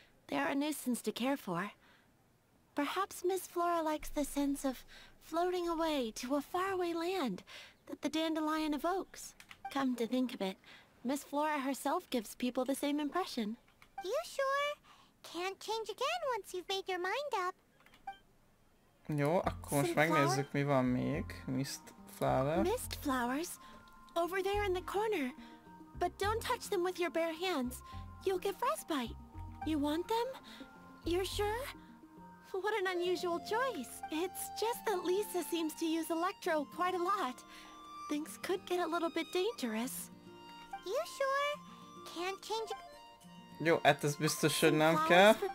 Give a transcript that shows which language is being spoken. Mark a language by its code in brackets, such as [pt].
[en] They're a nuisance to care for. Perhaps Miss Flora likes the sense of floating away to a faraway land that the dandelion evokes. Come to think of it, Miss Flora herself gives people the same impression. You sure? Can't change again once you've made your mind up. [hu] Jó, akkor most megnézzük, mi van még. [en] Mist flower. Mist flowers? Over there in the corner. But don't touch them with your bare hands. You'll get frostbite. You want them? You're sure? What an unusual choice. It's just that Lisa seems to use electro quite a lot. Things could get a little bit dangerous. You sure? Can't change... [hu] Jó, hát ez biztos, hogy nem kell.